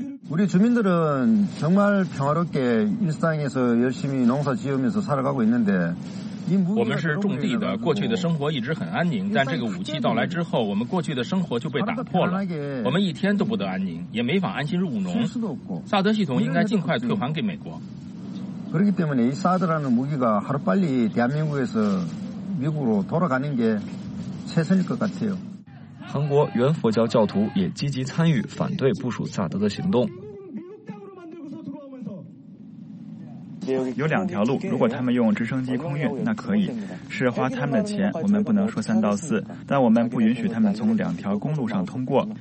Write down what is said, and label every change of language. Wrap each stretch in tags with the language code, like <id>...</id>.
<ko>우리주민들은정말평화롭게일상에서열심히농사지으면서살아가고있는데</ko> <zh>我们是种地的，过去的生活一直很安宁，但这个武器到来之后，我们过去的生活就被打破了，我们一天都不得安宁，也没法安心入农。萨德系统应该尽快退还给美国。</zh> <ko>그렇기때문에이사드라는무기가하루빨리대한민국에서미국으로돌아가는게최선일것같아요</ko> <zh>韩国原佛教教徒也积极参与反对部署萨德的行动。有两条路，如果他们用直升机空运，那可以，是花他们的钱，我们不能说三道四，但我们不允许他们从两条公路上通过。</zh>